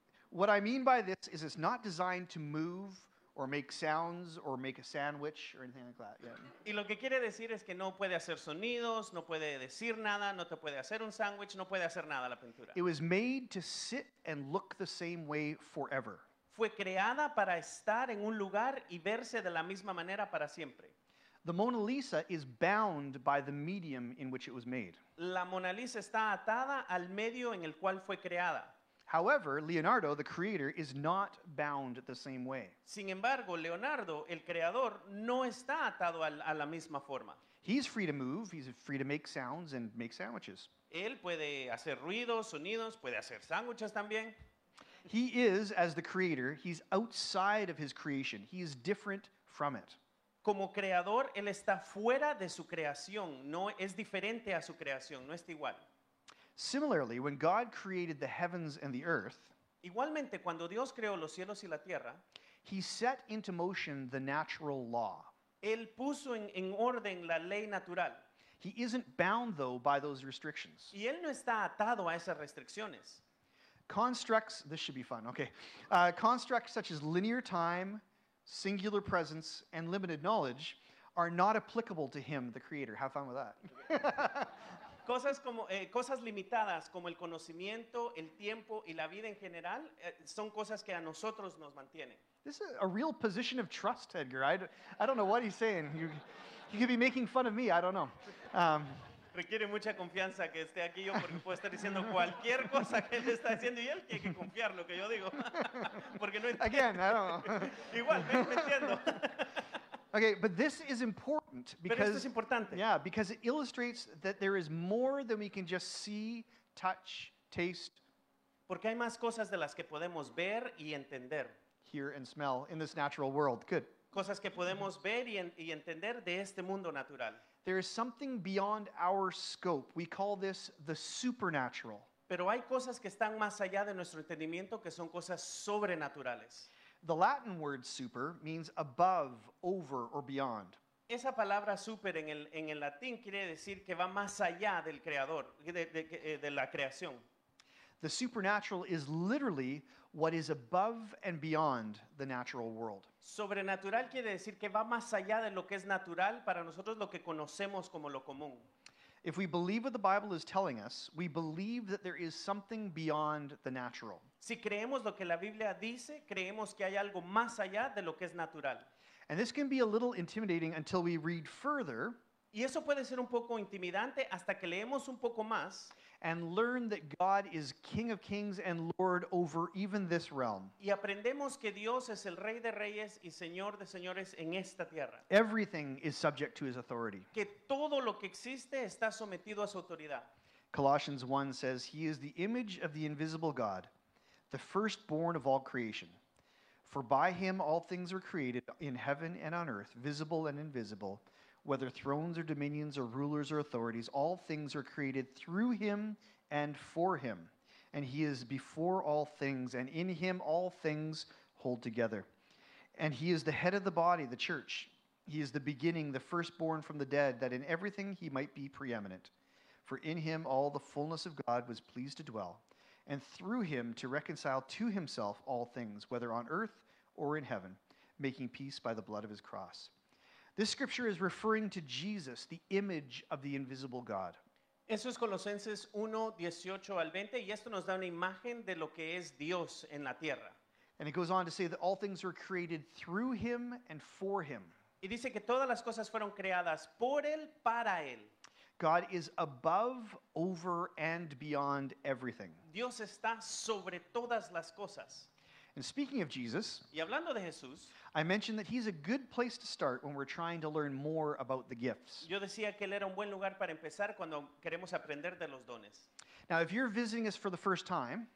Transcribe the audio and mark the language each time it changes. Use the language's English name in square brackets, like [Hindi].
[English] What I mean by this is it's not designed to move or make sounds or make a sandwich or anything like that. Yeah. [Spanish] Y lo que quiere decir es que no puede hacer sonidos, no puede decir nada, no te puede hacer un sándwich, no puede hacer nada la pintura. [English] It was made to sit and look the same way forever. [Spanish] Fue creada para estar en un lugar y verse de la misma manera para siempre. [English] The Mona Lisa is bound by the medium in which it was made. [Spanish] La Mona Lisa está atada al medio en el cual fue creada. [English] However, Leonardo, the creator, is not bound the same way. [Spanish] Sin embargo, Leonardo, el creador, no está atado a la misma forma. [English] He's free to move, he's free to make sounds and make sandwiches. [Spanish] Él puede hacer ruidos, sonidos, puede hacer sándwiches también. [English] He is, as the creator, he's outside of his creation. He is different from it. [Spanish] Como creador, él está fuera de su creación. No es diferente a su creación, no está igual. [English] Similarly, when God created the heavens and the earth, [Spanish] igualmente, cuando Dios creó los cielos y la tierra, [English] he set into motion the natural law. [Spanish] Él puso en orden la ley natural. [English] He isn't bound, though, by those restrictions. [Spanish] Y él no está atado a esas restricciones. [English] Constructs, this should be fun, okay. Constructs such as linear time, singular presence, and limited knowledge are not applicable to him, the creator. Have fun with that. [Spanish] Cosas limitadas como el conocimiento, el tiempo y la vida en general son cosas que a nosotros nos mantienen. [English] This is a real position of trust, Edgar. I don't know what he's saying. You could be making fun of me. I don't know. [Spanish] requiere mucha confianza que esté aquí yo porque puedo estar diciendo cualquier cosa que él está diciendo y él tiene que confiar lo que yo digo porque no entiendo. [English] Again, I don't know. [Spanish] Igual, me entiendo. [English] Okay, but this is important because, [Spanish] pero esto es importante. [English] Yeah, because it illustrates that there is more than we can just see, touch, taste. [Spanish] Porque hay más cosas de las que podemos ver y entender. [English] Hear and smell in this natural world. Good. [Spanish] Cosas que podemos ver y entender de este mundo natural. [English] There is something beyond our scope. We call this the supernatural. [Spanish] Pero hay cosas que están más allá de nuestro entendimiento que son cosas sobrenaturales. [English] The Latin word super means above, over, or beyond. [Spanish] Esa palabra super en el latín quiere decir que va más allá del creador, de la creación. [English] The supernatural is literally what is above and beyond the natural world. [Spanish] Sobrenatural quiere decir que va más allá de lo que es natural para nosotros, lo que conocemos como lo común. [English] If we believe what the Bible is telling us, we believe that there is something beyond the natural. [Spanish] Si creemos lo que la Biblia dice, creemos que hay algo más allá de lo que es natural. [English] And this can be a little intimidating until we read further. [Spanish] Y eso puede ser un poco intimidante hasta que leemos un poco más. [English] And learn that God is King of Kings and Lord over even this realm. [Spanish] Y aprendemos que Dios es el Rey de Reyes y Señor de Señores en esta tierra. [English] Everything is subject to his authority. [Spanish] Que todo lo que existe está sometido a su autoridad. [English] Colossians 1 says, he is the image of the invisible God, the firstborn of all creation. For by him all things were created in heaven and on earth, visible and invisible. Whether thrones or dominions or rulers or authorities, all things are created through him and for him. And he is before all things, and in him all things hold together. And he is the head of the body, the church. He is the beginning, the firstborn from the dead, that in everything he might be preeminent. For in him all the fullness of God was pleased to dwell, and through him to reconcile to himself all things, whether on earth or in heaven, making peace by the blood of his cross. This scripture is referring to Jesus, the image of the invisible God. [Spanish] Eso es Colosenses 1, 18 al 20, y esto nos da una imagen de lo que es Dios en la tierra. [English] And it goes on to say that all things were created through him and for him. [Spanish] Y dice que todas las cosas fueron creadas por él, para él. [English] God is above, over, and beyond everything. [Spanish] Dios está sobre todas las cosas. [English] And speaking of Jesus, [Spanish] y hablando de Jesús, [English] I mentioned that he's a good place to start when we're trying to learn more about the gifts. [Spanish] Yo decía que él era un buen lugar para empezar cuando queremos aprender de los dones. [English] Now, if you're visiting us for the first time,